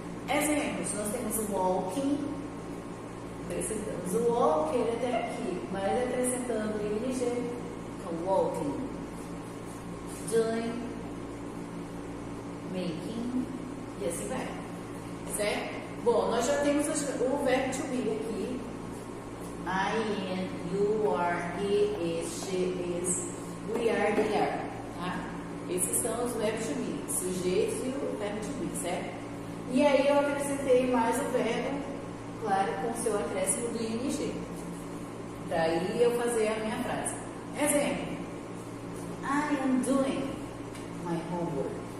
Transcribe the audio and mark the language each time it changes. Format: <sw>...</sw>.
<pt>Exemplos, nós temos o walking, acrescentamos o walking até aqui, mas acrescentando o ing, então walking, doing, making, e assim vai, certo? Bom, nós já temos o verbo to be aqui.</pt> <en>I am, you are, he is, she is, we are, they are, tá?</en> <pt>Esses são os verbos to be, sujeito e o verbo to be, certo? E aí eu acrescentei mais o verbo, claro, com o seu acréscimo do ing. Daí eu fazer a minha frase. Exemplo:</pt> <en>I am doing my homework.</en>